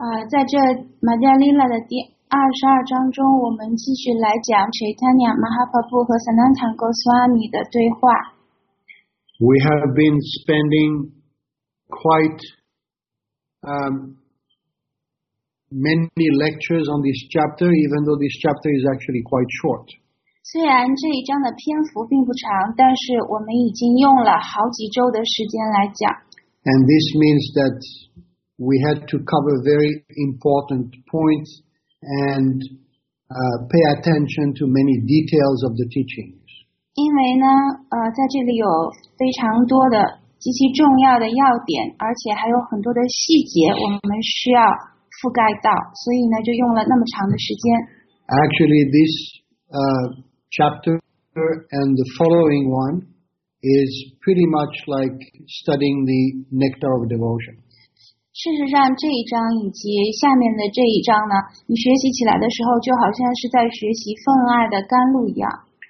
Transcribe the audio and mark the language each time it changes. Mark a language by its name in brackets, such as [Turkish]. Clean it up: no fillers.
[Chinese] 在这 Madhya Lila 的第22章中，我们继续来讲 Chaitanya Mahaprabhu 和 Sanatan Goswami 的对话。 [English] We have been spending quite many lectures on this chapter, even though this chapter is actually quite short. [Chinese] 虽然这一章的篇幅并不长，但是我们已经用了好几周的时间来讲。 [English] And this means that we had to cover very important points. And pay attention to many details of the teachings. [Chinese] 因为呢，在这里有非常多的极其重要的要点，而且还有很多的细节我们需要覆盖到，所以呢，就用了那么长的时间。 [English] Actually, this chapter and the following one is pretty much like studying the nectar of devotion. [Chinese] 事实上这一章以及下面的这一章呢你学习起来的时候就好像是在学习奉爱的甘露一样